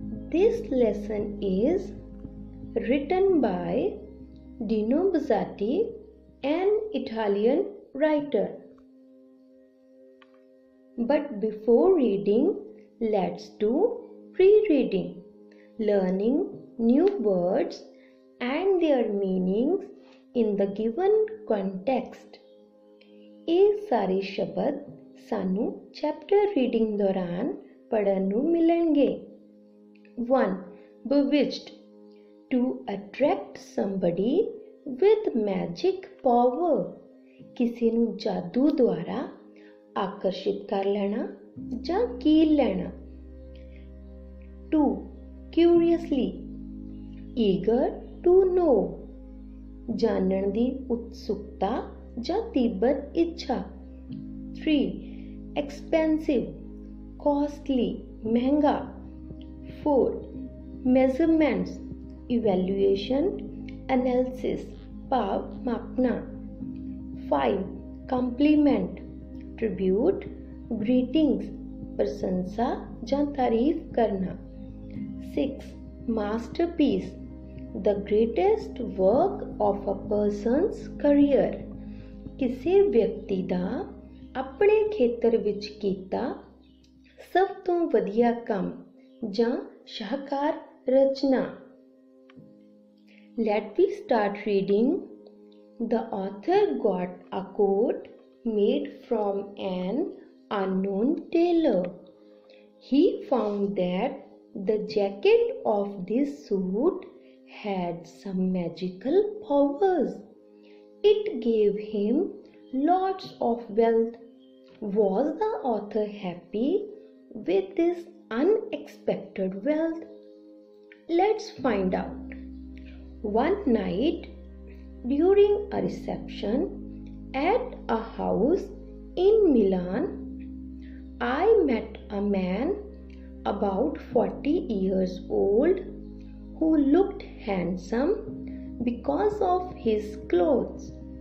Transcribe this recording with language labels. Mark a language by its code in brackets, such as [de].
[en] This lesson is written by Dino Buzzati, an Italian writer. But before reading, let's do pre-reading, learning new words and their meanings in the given context. [pa] ਇਹ ਸਾਰੇ ਸ਼ਬਦ ਸਾਨੂੰ chapter reading ਦੌਰਾਨ ਪੜ੍ਹਨ ਨੂੰ ਮਿਲਣਗੇ. [en] 1. Bewitched. To attract somebody with magic power. [pa] ਕਿਸੇ ਨੂੰ ਜਾਦੂ ਦੁਆਰਾ ਆਕਰਸ਼ਿਤ ਕਰ ਲੈਣਾ ਜਾਂ ਕੀਲ ਲੈਣਾ. [en] 2. Curiously. Eager to know. [pa] ਜਾਣਨ ਦੀ ਉਤਸੁਕਤਾ ਜਾਂ ਤੀਬਰ ਇੱਛਾ. 3. [en] Expensive. Costly. [pa] ਮਹਿੰਗਾ. 4. [en] Measurements. Evaluation. Analysis. [pa] ਭਾਵ ਮਾਪਣਾ. [en] 5. Compliment. Tribute. Greetings. [pa] ਪ੍ਰਸ਼ੰਸਾ ਜਾਂ ਤਾਰੀਫ ਕਰਨਾ. 6. Masterpiece. [en] The greatest work of a person's career. [pa] ਕਿਸੇ ਵਿਅਕਤੀ ਦਾ ਆਪਣੇ ਖੇਤਰ ਵਿੱਚ ਕੀਤਾ ਸਭ ਤੋਂ ਵਧੀਆ ਕੰਮ ਜਾਂ ਸ਼ਾਹਕਾਰ ਰਚਨਾ. [en] Let we start reading. The author got a coat made from an unknown tailor. He found that the jacket of this suit had some magical powers. It gave him lots of wealth. Was the author happy with this unexpected wealth? Let's find out. One night, during a reception at a house in Milan, I met a man about 40 years old who looked handsome because of his clothes.